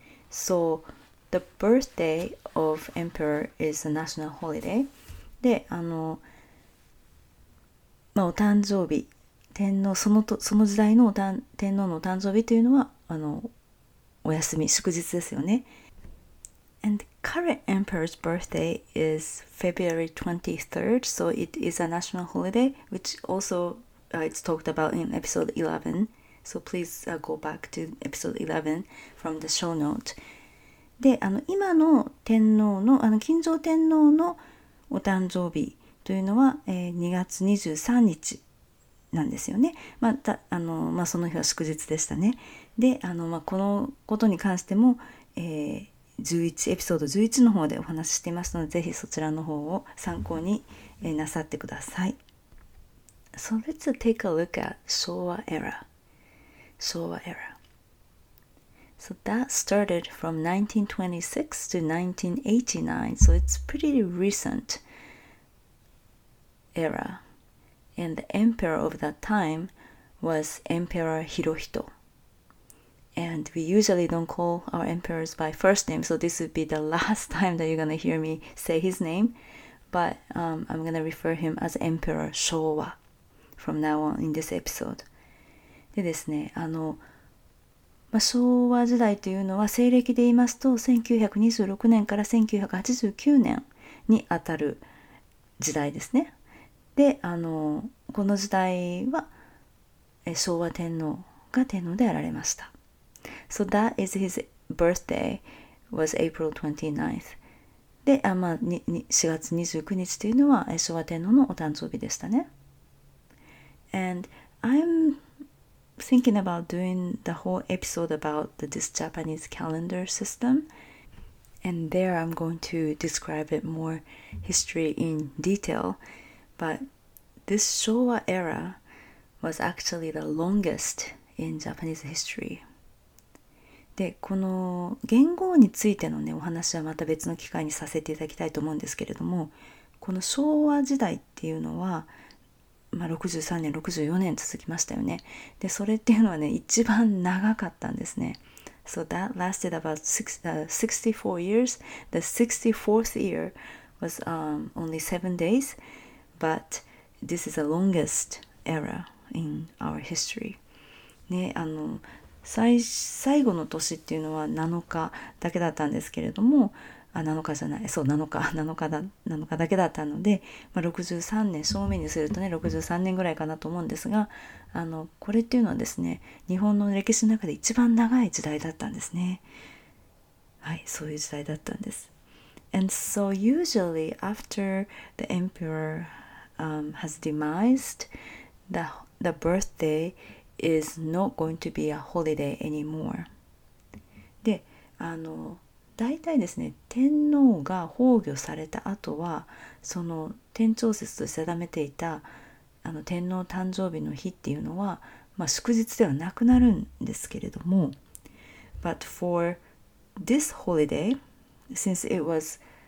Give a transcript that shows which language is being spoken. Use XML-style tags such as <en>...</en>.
<en>So, the birthday of emperor is a national holiday.</en> <ja>で、まあ、お誕生日、天皇、その時代の天皇のお誕生日というのは、お休み、祝日ですよね。</ja> <en>And current emperor's birthday is February 23rd, so it is a national holiday, which also、it's talked about in episode 11. So please、go back to episode 11 from the show note.</en> <ja>で、今の天皇の、金城天皇のお誕生日というのは、2月23日なんですよね。まあ、その日は祝日でしたね。で、まあ、このことに関しても、11エピソード11の方でお話ししていますので、ぜひそちらの方を参考になさってください。</ja> <en>So let's take a look at Showa era. Showa era. So that started from 1926 to 1989. So it's pretty recent era. And the emperor of that time was Emperor Hirohito. And we usually don't call our emperors by first name, so this would be the last time that you're going to hear me say his name. But、I'm going to refer him as Emperor Showa from now on in this episode.</en> <ja>でですね、まあ、昭和時代というのは西暦で言いますと1926年から1989年にあたる時代ですね。で、この時代は昭和天皇が天皇であられました。</ja> <en>So that is his birthday, was April 29th.</en> <ja>で、まあ、4月29日というのは昭和天皇のお誕生日でしたね。</ja> <en>And I'm thinking about doing the whole episode about this Japanese calendar system. And there I'm going to describe it more history in detail. But this Showa era was actually the longest in Japanese history.</en> <ja>で、この元号についてのね、お話はまた別の機会にさせていただきたいと思うんですけれども、この昭和時代っていうのは、まあ、63年、64年続きましたよね。で、それっていうのはね、一番長かったんですね。</ja> <en>So that lasted about 64 years. The 64th year was only 7 days, but this is the longest era in our history.</en> <ja>ね、あの、最後の年っていうのは7日だけだったんですけれども、あ、7日じゃない、そう、7日だけだったので、まあ、63年、正面にするとね、63年ぐらいかなと思うんですが、あの、これっていうのはですね、日本の歴史の中で一番長い時代だったんですね。はい、そういう時代だったんです。</ja> <en>And so usually after the emperor has demised, the birthday is not going to be a holiday anymore.</en> <ja>で、あの、大体ですね、天皇が崩御された後は、その天朝節と定めていた、あの、天皇誕生日の日っていうのは、まあ、祝日ではなくなるんですけれども、</ja> <en>But for this holiday, since it was</en>